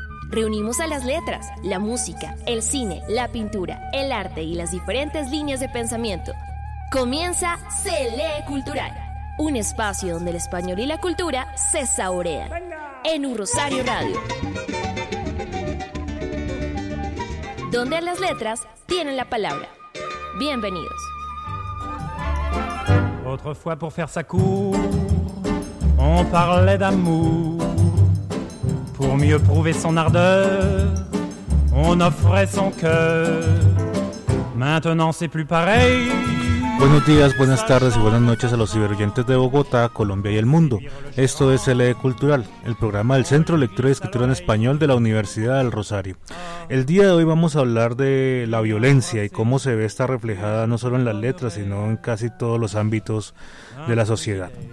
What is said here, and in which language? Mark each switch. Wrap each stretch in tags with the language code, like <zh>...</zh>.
<es>Reunimos a las letras, la música, el cine, la pintura, el arte y las diferentes líneas de pensamiento. Comienza Se Lee Cultural, un espacio donde el español y la cultura se saborean. En U Rosario Radio. Donde las letras tienen la palabra. Bienvenidos.</es> <fr>Autrefois pour faire sa cour, on parlait d'amour. Pour mieux prouver son ardeur, on offrait son cœur. Maintenant c'est plus pareil.</fr> <es>Buenos días, buenas tardes y buenas noches a los ciberoyentes de Bogotá, Colombia y el mundo. Esto es Se Lee Cultural, el programa del Centro de Lectura y Escritura en Español de la Universidad del Rosario. El día de hoy vamos a hablar de la violencia y cómo se ve esta reflejada no solo en las letras, sino en casi todos los ámbitos de la sociedad.</es>